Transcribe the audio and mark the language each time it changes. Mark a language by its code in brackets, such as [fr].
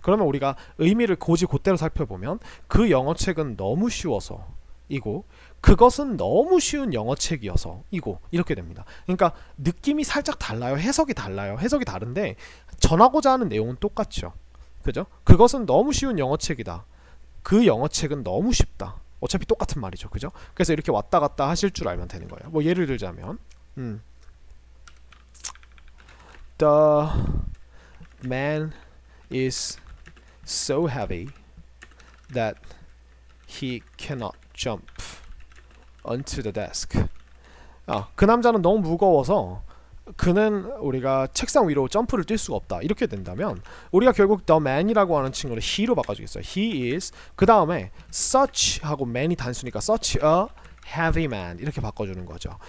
[ko] 그러면 우리가 의미를 곧이 곧대로 살펴보면, 그 영어책은 너무 쉬워서 이고, 그것은 너무 쉬운 영어책이어서 이고, 이렇게 됩니다. 그러니까 느낌이 살짝 달라요. 해석이 달라요. 해석이 다른데 전하고자 하는 내용은 똑같죠. 그죠? 그것은 너무 쉬운 영어책이다. 그 영어책은 너무 쉽다. 어차피 똑같은 말이죠. 그죠? 그래서 이렇게 왔다 갔다 하실 줄 알면 되는 거예요. [en] 뭐 예를 들자면, The man is so heavy that he cannot jump onto the desk. [ko] 그 남자는 너무 무거워서 그는 우리가 책상 위로 점프를 뛸 수가 없다, 이렇게 된다면, 우리가 결국 the man이라고 하는 친구를 he로 바꿔주겠어요. He is, 그 다음에 such 하고 man이 단수니까 such a heavy man 이렇게 바꿔주는 거죠.